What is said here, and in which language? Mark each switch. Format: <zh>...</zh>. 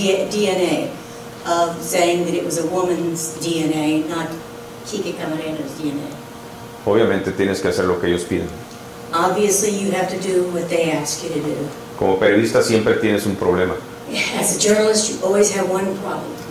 <en>DNA, saying that it was a woman's DNA, not Kike Camarena's DNA.</en> <es>Obviamente tienes que hacer lo que ellos piden.</es> <en>Obviously you have to do what they ask you to do.</en> <es>Como periodista siempre tienes un problema.</es> <en>As a journalist you always have one problem.</en>